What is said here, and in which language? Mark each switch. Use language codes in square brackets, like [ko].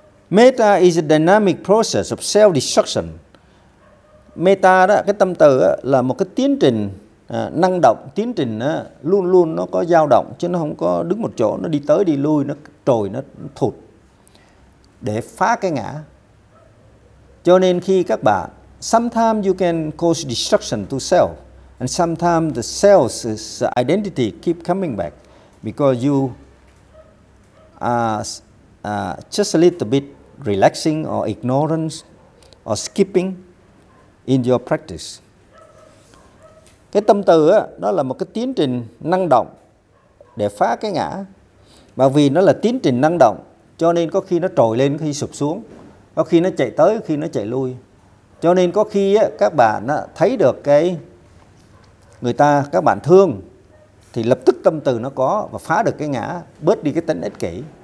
[en] Metta is a dynamic process of self-destruction. [vi] Metta đó, cái tâm từ đó, là một cái tiến trình năng động, tiến trình luôn luôn nó có dao động, chứ nó không có đứng một chỗ, nó đi tới đi lui, nó trồi, nó thụt, để phá cái ngã. Cho nên khi các bạn, [en] sometimes you can cause destruction to self, and sometimes the self's identity keep coming back, because you are just a little bit relaxing or ignorance or skipping in your practice. [vi] Cái tâm từ đó là một cái tiến trình năng động để phá cái ngã. Mà vì nó là tiến trình năng động, cho nên có khi nó trồi lên, có khi sụp xuống, có khi nó chạy tới, có khi nó chạy lui. Cho nên có khi các bạn thấy được cái người ta các bạn thương thì lập tức tâm từ nó có và phá được cái ngã, bớt đi cái tính ích kỷ.